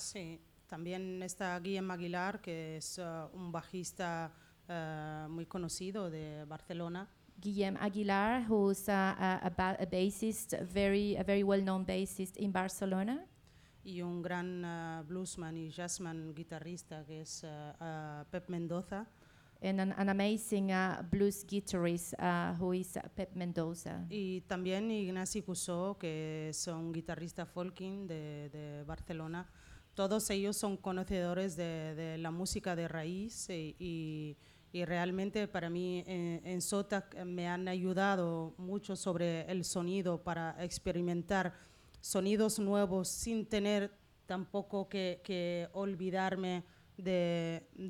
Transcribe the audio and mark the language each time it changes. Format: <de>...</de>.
<es>Sí, también está Guillem Aguilar, que es un bajista muy conocido de Barcelona.</es> <en>Guillem Aguilar, who's a bassist, a very well-known bassist in Barcelona.</en> <es>Y un gran bluesman y jazzman guitarrista, que es Pep Mendoza.</es> <en>And an amazing blues guitarist, who is Pep Mendoza.</en> <es>Y también Ignasi Cusó, que es un guitarrista folking de Barcelona. Todos ellos son conocedores de la música de raíz y realmente para mí en Sota me han ayudado mucho sobre el sonido para experimentar sonidos nuevos sin tener tampoco que olvidarme del</es>